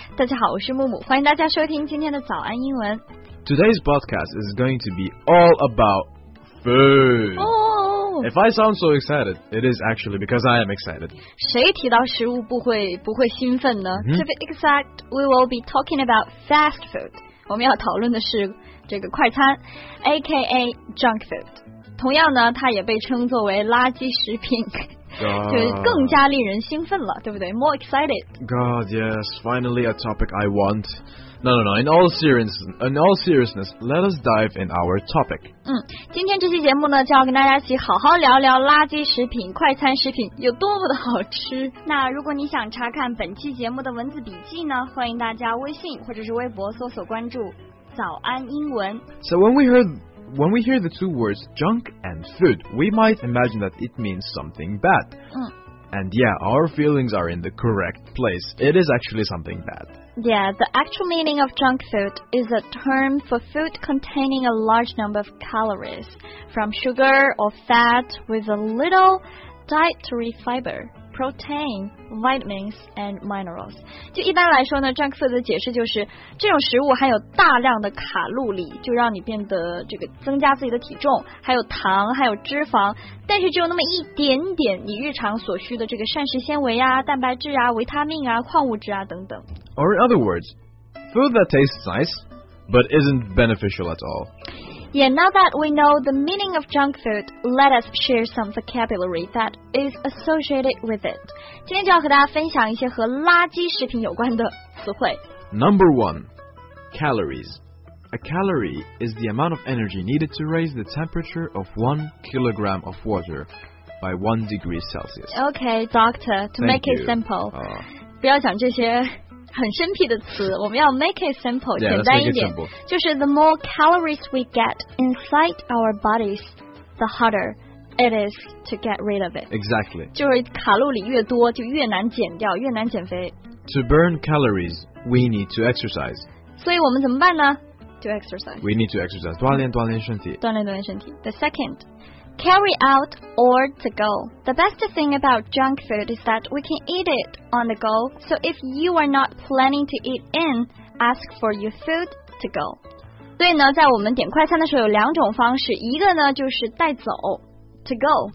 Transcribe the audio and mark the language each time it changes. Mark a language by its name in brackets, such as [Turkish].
[Chinese] 大家好，我是木木，欢迎大家收听今天的早安英文。 [English] Today's podcast is going to be all about food. Oh. If I sound so excited, it is actually because I am excited. [Chinese] 谁提到食物不会兴奋呢、mm-hmm. [English] To be exact, we will be talking about fast food. [Chinese] 我们要讨论的是这个快餐 [English] AKA junk food. [Chinese] 同样呢它也被称作为垃圾食品、 [English] God. [Chinese] 就更加令人兴奋了对不对 [English] More excited. God, yes, finally a topic I want. No, in all seriousness, let us dive in our topic. [Chinese] 今天这期节目呢就要跟大家一起好好聊聊垃圾食品、快餐食品有多么的好吃。那如果你想查看本期节目的文字笔记呢，欢迎大家微信或者是微博搜索关注早安英文。 [English] So when we hear the two words junk and food, we might imagine that it means something bad. And yeah, our feelings are in the correct place. It is actually something bad. Yeah, the actual meaning of junk food is a term for food containing a large number of calories, from sugar or fat with a little dietary fiber, protein, vitamins, and minerals. [Chinese] 就一般来说呢 ,junk food 的解释就是这种食物含有大量的卡路里就让你变得这个增加自己的体重还有糖还有脂肪但是只有那么一点点你日常所需的这个膳食纤维啊蛋白质啊维他命啊矿物质啊等等。 [English] Or in other words, food that tastes nice, but isn't beneficial at all. Yeah, now that we know the meaning of junk food, let us share some vocabulary that is associated with it. [Chinese] 今天就要和大家分享一些和垃圾食品有关的词汇。 [English] Number one, calories. A calorie is the amount of energy needed to raise the temperature of 1 kilogram of water by 1 degree Celsius. Okay, doctor, to make it simple, [Chinese] 不要讲这些很生僻的词我们要 [English] make it simple yeah, [Chinese] 简单一点就是 [English] the more calories we get inside our bodies the harder it is to get rid of it exactly [Chinese] 就是卡路里越多就越难减掉越难减肥 [English] to burn calories we need to exercise [Chinese] 所以我们怎么办呢 [English] to exercise we need to exercise [Chinese] 锻炼锻炼身体锻炼锻炼身体 [English] the secondCarry out or to go. The best thing about junk food is that we can eat it on the go. So if you are not planning to eat in, ask for your food to go. [Chinese] 所以呢在我们点快餐的时候有两种方式一个呢就是带走 [English] to go,、